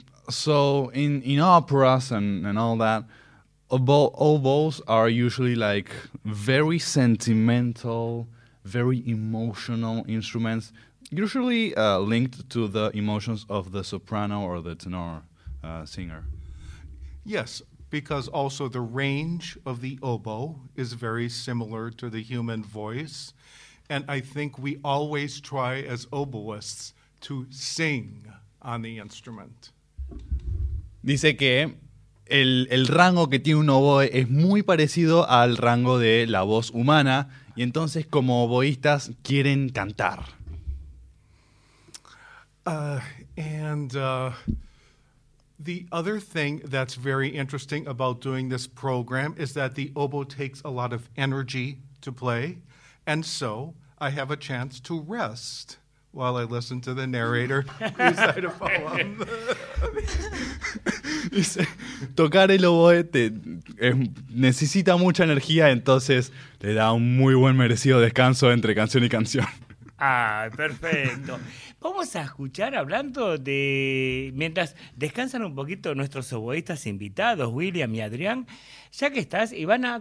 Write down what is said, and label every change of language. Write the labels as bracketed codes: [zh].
[en] So in operas and all that, oboes are usually like very sentimental, very emotional instruments, usually linked to the emotions of the soprano or the tenor singer. Yes, because also the range of the oboe is very similar to the human voice, and I think we always try as oboists to sing on the instrument. [es] Dice que el rango que tiene un oboe es muy parecido al rango de la voz humana. Y entonces, como oboístas, quieren cantar. [en] The other thing that's very interesting about doing this program is that the oboe takes a lot of energy to play. And so, I have a chance to rest while I listen to the narrator recite a poem. [es] Dice, tocar el oboe necesita mucha energía, entonces le da un muy buen merecido descanso entre canción y canción. Ah, perfecto. Vamos a escuchar hablando de... Mientras descansan un poquito nuestros oboístas invitados, William y Adrián, ya que estás, Ivana...